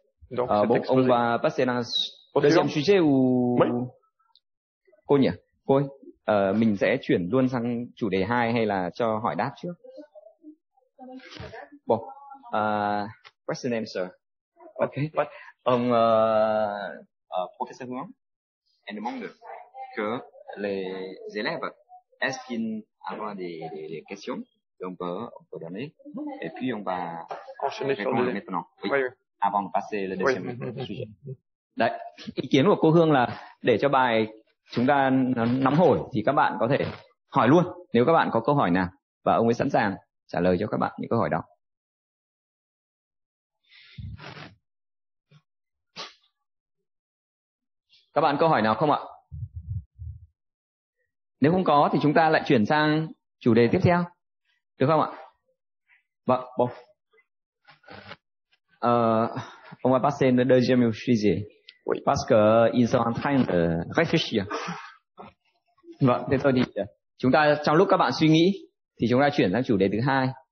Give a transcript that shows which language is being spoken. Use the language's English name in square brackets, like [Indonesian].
[French] Donc, bon, on va passer dans le deuxième sujet ou... Oui. [Vietnamese] Cô nhỉ? Cô ơi, mình sẽ chuyển luôn sang chủ đề 2 hay là cho hỏi đáp trước? [English] Bon, question and answer. Okay. [French] But, professeur Huang, elle demande que les élèves est-ce qu'ils avoir des questions, donc on peut donner, et puis on va enchaîner sur le maintenant. Oui. Oui. Avant de passer le deuxième sujet. [Vietnamese] Đấy, ý kiến của cô Hương là để cho bài chúng ta nóng hổi thì các bạn có thể hỏi luôn nếu các bạn có câu hỏi nào, và ông ấy sẵn sàng trả lời cho các bạn những câu hỏi đó. Các bạn câu hỏi nào không ạ? Nếu không có thì chúng ta lại chuyển sang chủ đề tiếp theo. Được không ạ? Vâng, bon. [French] On va passer le deuxième sujet. Oui. Parce qu'ils sont en train de réfléchir. [Vietnamese] Vâng, thế thôi thì chúng ta trong lúc các bạn suy nghĩ thì chúng ta chuyển sang chủ đề thứ hai.